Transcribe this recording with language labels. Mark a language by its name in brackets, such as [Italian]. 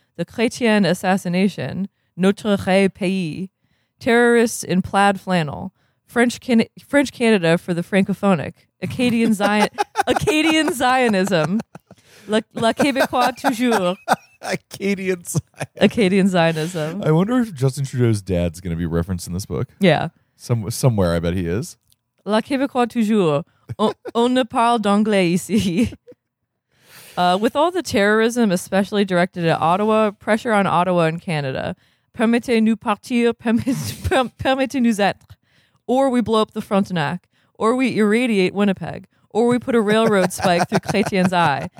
[English] The Chrétien assassination, Notre Ré Pays, terrorists in plaid flannel, French Canada for the francophonic, Acadian Zionism, [French] la Québécois toujours. [English] Acadian Zionism. I wonder if Justin Trudeau's dad's going to be referenced in this book. Yeah. Somewhere, I bet he is. [French] La Québécois toujours. On ne parle d'anglais ici. [English] With all the terrorism, especially directed at Ottawa, pressure on Ottawa and Canada, [French] permettez-nous partir, permettez-nous être, [English] or we blow up the Frontenac, or we irradiate Winnipeg, or we put a railroad spike through Chrétien's eye.